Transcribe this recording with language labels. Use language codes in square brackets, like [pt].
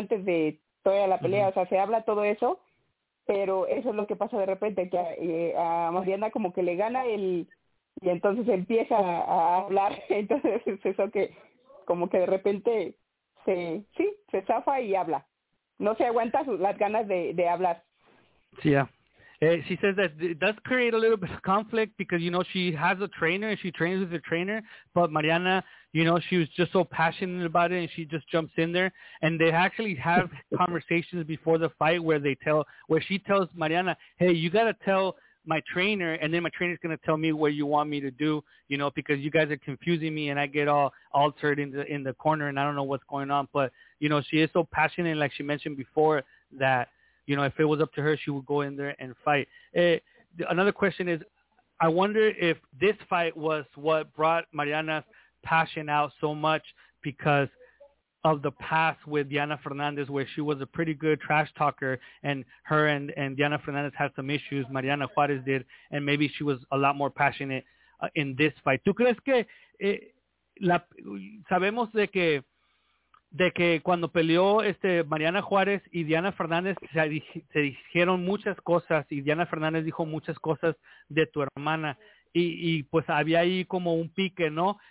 [es] Antes de toda la pelea, o sea, se habla todo eso, pero eso es lo que pasa de repente, que a Mariana como que le gana el... Y entonces empieza a hablar, entonces es eso que como que de repente se zafa y habla. No se aguanta las ganas de hablar. [en] Yeah. She says that it does create a little bit of conflict because, you know, she has a trainer and she trains with the trainer, but Mariana, you know, she was just so passionate about it and she just jumps in there. And they actually have conversations before the fight where she tells Mariana, hey, you got to tell my trainer, and then my trainer's going to tell me what you want me to do, you know, because you guys are confusing me and I get all altered in the corner and I don't know what's going on. But, you know, she is so passionate, and like she mentioned before, that, you know, if it was up to her, she would go in there and fight. Another question is, I wonder if this fight was what brought Mariana's passion out so much because of the past with Diana Fernandez, where she was a pretty good trash talker, and her and Diana Fernandez had some issues, Mariana Juarez did, and maybe she was a lot more passionate in this fight. [es] ¿Tú crees que sabemos de que cuando peleó Mariana Juarez y Diana Fernandez se dijeron muchas cosas, y Diana Fernandez dijo muchas cosas de tu hermana, y pues había ahí como un pique, ¿no?